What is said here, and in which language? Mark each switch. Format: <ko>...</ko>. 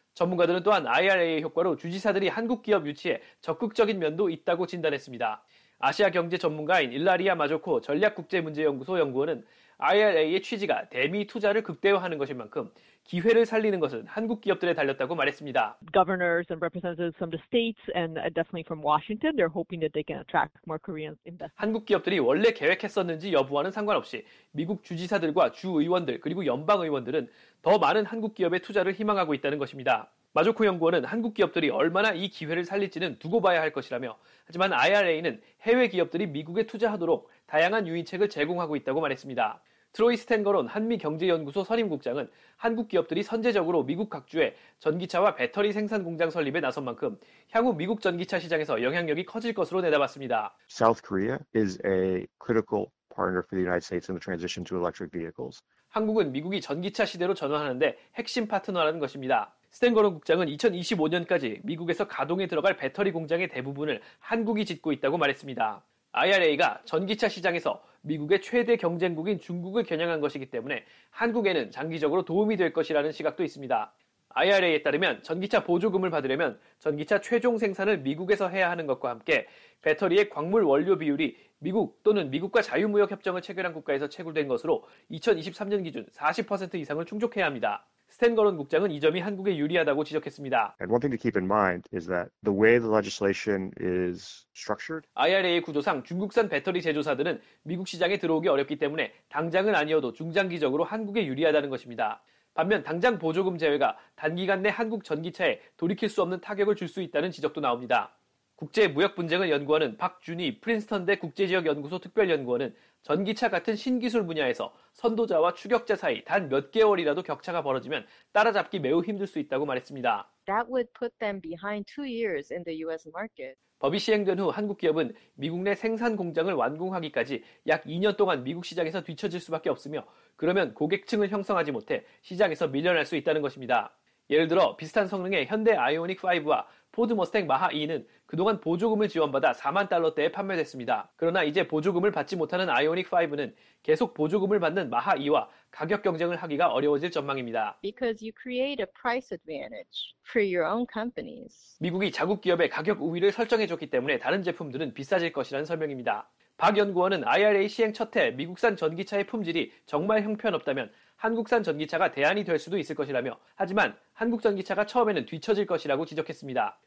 <ko>전문가들은 또한 IRA의 효과로 주지사들이 한국 기업 유치에 적극적인 면도 있다고 진단했습니다. 아시아 경제 전문가인 일라리아 마조코 전략국제문제연구소 연구원은 IRA의 취지가 대미 투자를 극대화하는 것인 만큼 기회를 살리는 것은 한국 기업들에 달렸다고 말했습니다.</ko> <en>Governors and representatives from the states and definitely from Washington, they're hoping that they can attract more Korean investors.</en> <ko>한국 기업들이 원래 계획했었는지 여부와는 상관없이 미국 주지사들과 주의원들 그리고 연방의원들은 더 많은 한국 기업의 투자를 희망하고 있다는 것입니다. 마조코 연구원은 한국 기업들이 얼마나 이 기회를 살릴지는 두고 봐야 할 것이라며 하지만 IRA는 해외 기업들이 미국에 투자하도록 다양한 유인책을 제공하고 있다고 말했습니다. 트로이 스탠거론 한미경제연구소 선임국장은 한국 기업들이 선제적으로 미국 각주에 전기차와 배터리 생산 공장 설립에 나선 만큼 향후 미국 전기차 시장에서 영향력이 커질 것으로 내다봤습니다.</ko> <en>South Korea is a critical partner for the United States in the transition to electric vehicles.</en> <ko>한국은 미국이 전기차 시대로 전환하는데 핵심 파트너라는 것입니다. 스탠거론 국장은 2025년까지 미국에서 가동에 들어갈 배터리 공장의 대부분을 한국이 짓고 있다고 말했습니다. IRA가 전기차 시장에서 미국의 최대 경쟁국인 중국을 겨냥한 것이기 때문에 한국에는 장기적으로 도움이 될 것이라는 시각도 있습니다. IRA에 따르면 전기차 보조금을 받으려면 전기차 최종 생산을 미국에서 해야 하는 것과 함께 배터리의 광물 원료 비율이 미국 또는 미국과 자유무역협정을 체결한 국가에서 채굴된 것으로 2023년 기준 40% 이상을 충족해야 합니다. 스탠거론 국장은 이 점이 한국에 유리하다고 지적했습니다.</ko> <en>And one thing to keep in mind is that the way the legislation is structured.</en> <ko>IRA의 구조상 중국산 배터리 제조사들은 미국 시장에 들어오기 어렵기 때문에 당장은 아니어도 중장기적으로 한국에 유리하다는 것입니다. 반면 당장 보조금 제외가 단기간 내 한국 전기차에 돌이킬 수 없는 타격을 줄 수 있다는 지적도 나옵니다. 국제 무역 분쟁을 연구하는 박준희 프린스턴대 국제지역연구소 특별연구원은 전기차 같은 신기술 분야에서 선도자와 추격자 사이 단 몇 개월이라도 격차가 벌어지면 따라잡기 매우 힘들 수 있다고 말했습니다.</ko> <en>That would put them behind two years in the US market.</en> <ko>법이 시행된 후 한국 기업은 미국 내 생산 공장을 완공하기까지 약 2년 동안 미국 시장에서 뒤처질 수밖에 없으며 그러면 고객층을 형성하지 못해 시장에서 밀려날 수 있다는 것입니다. 예를 들어 비슷한 성능의 현대 아이오닉5와 포드 머스탱 마하 2는 그동안 보조금을 지원받아 4만 달러대에 판매됐습니다. 그러나 이제 보조금을 받지 못하는 아이오닉5는 계속 보조금을 받는 마하 2와 가격 경쟁을 하기가 어려워질 전망입니다.</ko> <en>Because you create a price advantage for your own companies.</en> <ko>미국이 자국 기업의 가격 우위를 설정해줬기 때문에 다른 제품들은 비싸질 것이라는 설명입니다. 박 연구원은 IRA 시행 첫해 미국산 전기차의 품질이 정말 형편없다면 한국산 전기차가 대안이 될 수도 있을 것이라며 하지만 한국 전기차가 처음에는 뒤처질 것이라고 지적했습니다.</ko>